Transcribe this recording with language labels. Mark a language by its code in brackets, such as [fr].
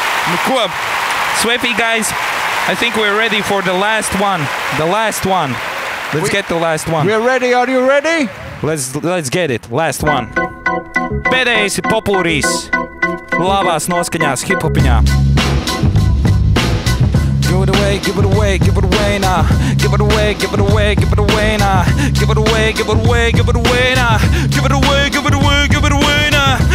[lv] Nu ko, [en] Sweepy guys, I think we're ready for the last one. The last one. Let's get the last one. We're ready, are you ready? Let's get it, last one. [lv] Pēdējais ir populārs. Labās noskaņās hip-hopiņā. [en] Give it away, give it away, give it away now. Give it away, give it away, give it away now. Give it away, give it away, give it away now. Give it away, give it away, give it away now.